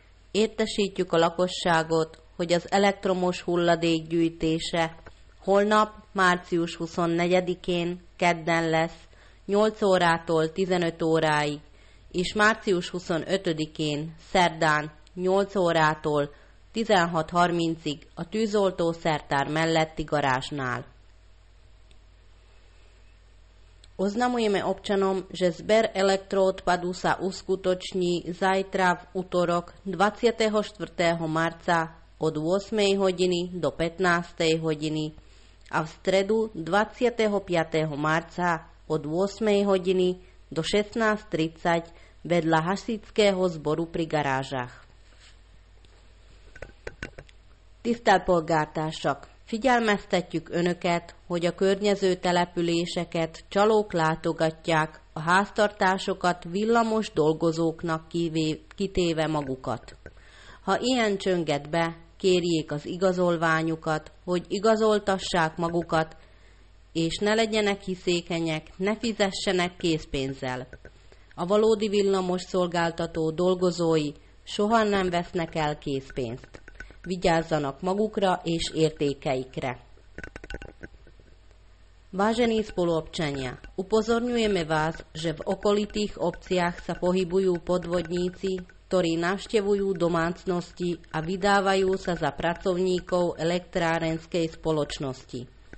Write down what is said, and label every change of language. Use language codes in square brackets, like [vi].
[hu] Értesítjük a lakosságot, hogy az elektromos hulladék gyűjtése holnap, március 24-én, kedden lesz, 8 órától 15 óráig, és március 25-én, szerdán, 8 órától 16:30-ig a tűzoltó szertár melletti garázsnál. [sk] Oznamujeme občanom, že zber elektroodpadu sa uskutoční zajtra v útorok 24. marca od 8. hodiny do 15. hodiny a v stredu 25. marca od 8. hodiny do 16:30 vedľa hasičského zboru pri garážach. [hu] Tisztelt polgártársak! Figyelmeztetjük Önöket, hogy a környező településeket csalók látogatják, a háztartásokat villamos dolgozóknak kitéve magukat. Ha ilyen csönget be, kérjék az igazolványukat, hogy igazoltassák magukat, és ne legyenek hiszékenyek, ne fizessenek készpénzzel. A valódi villamos szolgáltató dolgozói soha nem vesznek el készpénzt. Vigyázzanak magukra és értékeikre. [sk] Vážení spoluobčania, upozorňujeme vás, že v okolitých obciach sa pohybujú podvodníci, ktorí navštevujú domácnosti a vydávajú sa za pracovníkov elektrárenskej spoločnosti.